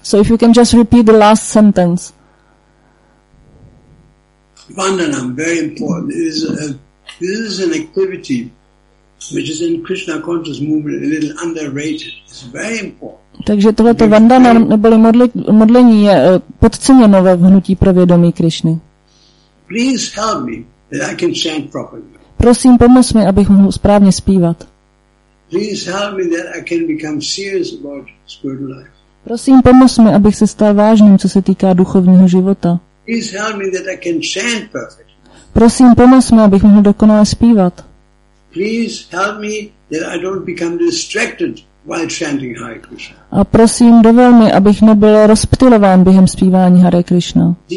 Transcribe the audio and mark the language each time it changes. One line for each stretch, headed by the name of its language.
English: So if you can just repeat the last sentence. Vandanam, very important. This is an activity which is in Krishna conscious movement a little underrated. It's very important.
Czech: Takže tohleto vandanam neboli modlení je podceněno ve hnutí pro vědomí Krišny.
English: Please help me that I can chant properly.
Czech: Prosím, pomoz mi, abych mohl správně zpívat.
English: Please help me that I can become serious about spiritual life.
Czech: Prosím, pomoz mi, abych se stal vážným, co se týká duchovního života.
English: Please help me that I can chant perfectly.
Czech: Prosím, pomoz mi, abych mohl dokonale zpívat.
English: Please help me that I don't become distracted while chanting Hare Krishna.
Czech: A prosím, dovol mi, abych nebyl rozptylován během zpívání Hare Krishna.